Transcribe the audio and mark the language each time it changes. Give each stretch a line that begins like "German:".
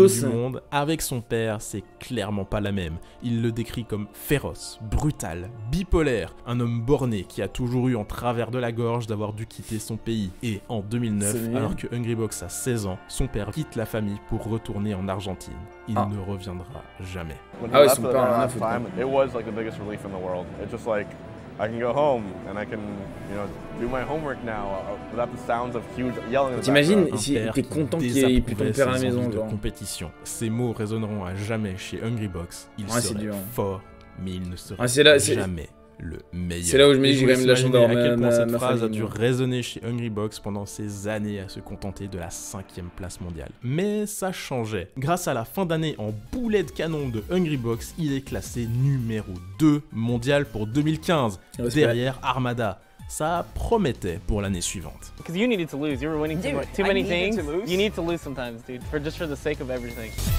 French: Personne du monde, avec son père, c'est clairement pas la même. Il le décrit comme féroce, brutal, bipolaire. Un homme borné qui a toujours eu en travers de la gorge d'avoir dû quitter son pays. Et en 2009, alors que Hungrybox a 16 ans, son père quitte la famille pour retourner en Argentine. Il ne reviendra jamais. Ah ouais, son père en a fait
English: time, it was like the biggest relief in the world. It's just like... I can go home and I can, you know, do my homework now without the sounds of huge yelling.
French: T'imagines si t'es content qu'il ait plus ton père à la maison de compétition. Ces mots résonneront à jamais chez Hungrybox. Il sera fort, mais il ne sera jamais le meilleur. C'est là où je me dis que j'ai quand même la chance d'avoir à quel point cette phrase a dû résonner chez Hungrybox pendant ces années à se contenter de la 5e place mondiale. Mais ça changeait. Grâce à la fin d'année en boulet de canon de Hungrybox, il est classé numéro 2 mondial pour 2015, derrière Armada. Ça promettait pour l'année suivante.
English: Because you needed to lose, you were winning too many things. You need to lose sometimes, dude, for just for the sake of everything.